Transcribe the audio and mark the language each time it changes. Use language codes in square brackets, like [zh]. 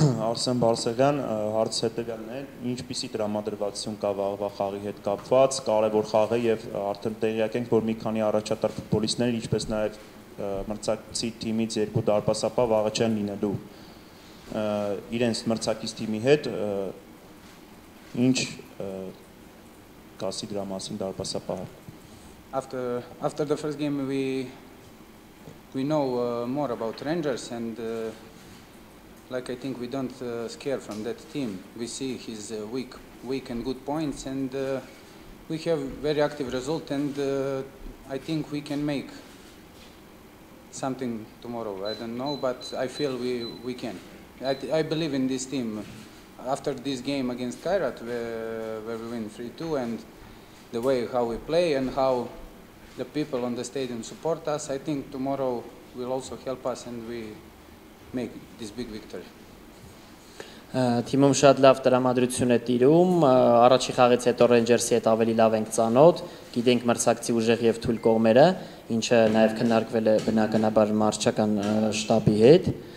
[hy] Արսեն Բարսեղյան, հարց հետևյալն է. Ինչպիսի տրամադրվածություն կա վաղվա խաղի հետ կապված, կարևոր խաղը, եւ արդեն տեղյակ ենք, որ մի քանի առաջատար ֆուտբոլիստներ, ինչպես նաեւ մրցակցի թիմից երկու դարպասապա վաղը չեն լինելու իրենց մրցակից թիմի հետ, ինչ կասի դրա մասին դարպասապահը։ [en] After the first game we know more about Rangers and like I think we don't scare from that team. We see his weak and good points and we have very active result and I think we can make something tomorrow. I don't know, but I feel we can. I believe in this team. After this game against Kairat, where we win 3-2, and the way how we play and how the people on the stadium support us, I think tomorrow will also help us and we make this big victory. [hy] Թիմում շատ լավ տրամադրություն է տիրում, առաջի խաղից հետո Rangers-ի հետ ավելի լավ ենք ծանոթ, գիտենք մրցակցի ուժեղ եւ թույլ կողմերը, ինչը նաեւ քննարկվել է բնականաբար մարզչական շտաբի հետ։